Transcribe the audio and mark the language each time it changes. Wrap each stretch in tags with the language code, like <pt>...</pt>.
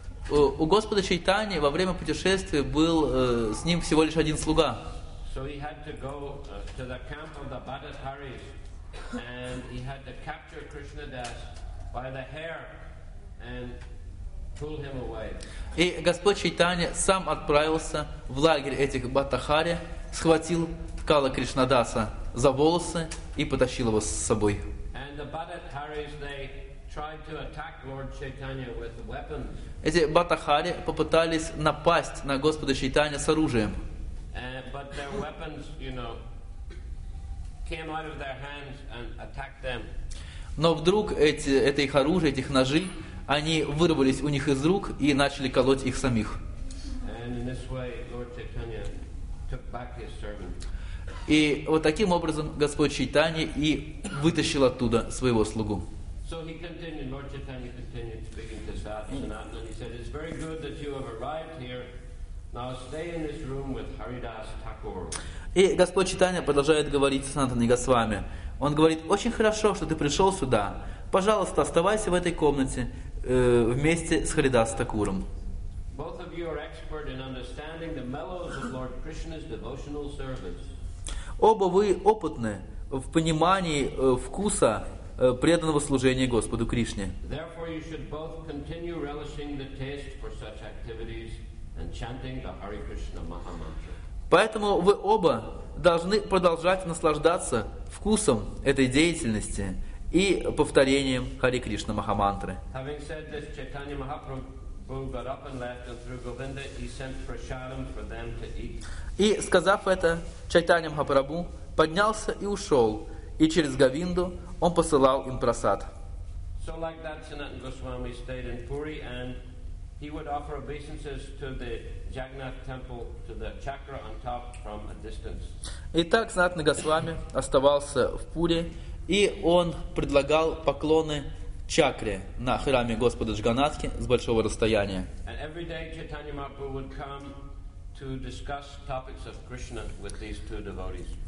<ru>У Господа Чайтани во время путешествия был с ним всего лишь один слуга.</ru> <en>So he had to go to the camp of the Bhattacharis, and he had to capture Krishnadas by the hair and pull him away.</en> <ru>И Господь Чайтани сам отправился в лагерь этих Бхаттахари, схватил Кала Кришнадаса за волосы и потащил его с собой.</ru> <en>And the Bhattacharis, they tried to attack Lord Chaitanya with weapons.</en> <ru>Эти Бхаттахари попытались напасть на Господа Чайтани с оружием.</ru> <en>But their weapons, you know, came out of their hands and attacked them.</en> <ru>Но вдруг это их оружие, этих ножи, они вырвались у них из рук и начали колоть их самих.</ru> <en>And in this way, Lord Chaitanya took back his servant.</en> <ru>И вот таким образом Господь Чайтани и вытащил оттуда своего слугу.</ru> <en>So he continued, Lord Chaitanya continued speaking to Satsanatana, and he said, it's very good that you have arrived here. Now stay in this room with Haridas Thakur.</en> <ru>И Господь Чайтанья продолжает говорить с Санатаной Госвами. Он говорит: «Очень хорошо, что ты пришел сюда. Пожалуйста, оставайся в этой комнате вместе с Харидас Такуром».</ru> <en>Both of you are expert in understanding the mellows of Lord Krishna's devotional service.</en> <ru>Оба вы опытны в понимании вкуса преданного служения Господу Кришне.</ru> <en>Therefore you should both continue relishing the taste for such activities. And chanting the Hare Krishna Maha Mantra.</en> <ru>Поэтому вы оба должны продолжать наслаждаться вкусом этой деятельности и повторением Хари Кришна Маха Мантры.</ru> <en>Having said this, Chaitanya Mahaprabhu got up and left, and through Govinda he sent prasadam for them to eat.</en> <ru>И сказав это, Чайтанья Махапрабху поднялся и ушел, и через Говинду он посылал им прасад.</ru> <en>So like that, Sanatana Goswami stayed in Puri and he would offer obeisances to the Jagannath temple, to the chakra on top, from a distance.</en> <ru>Итак, Санатана Госвами оставался в Пури, и он предлагал поклоны чакре на храме Господа Джаганатхи с большого расстояния.</ru> <en>And every day Chaitanya Mahaprabhu would come to discuss topics of Krishna with these two devotees.</en>